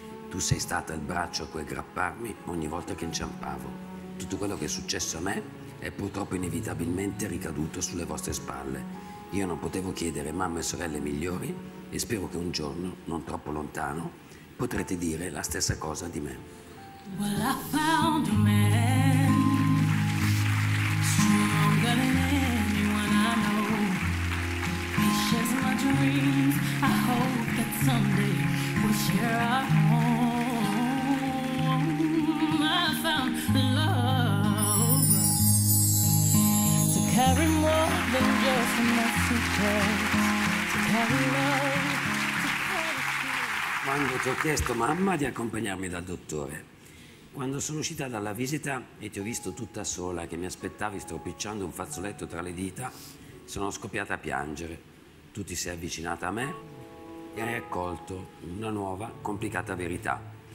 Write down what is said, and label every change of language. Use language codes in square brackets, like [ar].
[it] Tu sei stata il braccio a cui aggrapparmi ogni volta che inciampavo. Tutto quello che è successo a me è purtroppo inevitabilmente ricaduto sulle vostre spalle. Io non potevo chiedere mamma e sorelle migliori e spero che un giorno, non troppo lontano, potrete dire la stessa cosa di me. [en] Well, I found a man stronger than anyone I know. He shares my dreams. I hope that someday we'll share our home. I found love to carry more than just a message. To carry love. [it] Quando ti ho chiesto, mamma, di accompagnarmi dal dottore, quando sono uscita dalla visita e ti ho visto tutta sola che mi aspettavi stropicciando un fazzoletto tra le dita, sono scoppiata a piangere. Tu ti sei avvicinata a me e hai accolto una nuova, complicata verità.